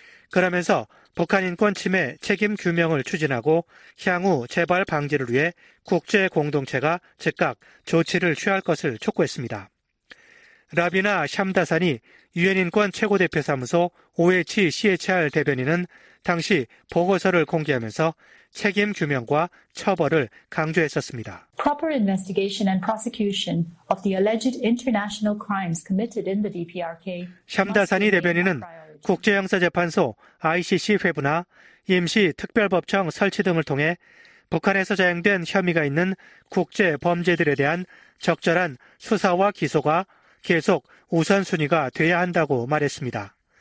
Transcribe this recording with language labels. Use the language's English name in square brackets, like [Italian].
[Korean] 그러면서 북한 인권 침해 책임 규명을 추진하고 향후 재발 방지를 위해 국제 공동체가 즉각 조치를 취할 것을 촉구했습니다. 라비나 샴다산이 유엔인권 최고대표사무소 OHCHR 대변인은 당시 보고서를 공개하면서 책임 규명과 처벌을 강조했었습니다. [English] Proper investigation and prosecution of the alleged international crimes committed in the DPRK. [Korean] 샴다산이 대변인은 국제형사재판소 ICC 회부나 임시특별법정 설치 등을 통해 북한에서 자행된 혐의가 있는 국제 범죄들에 대한 적절한 수사와 기소가 계속 우선순위가 돼야 한다고 말했습니다.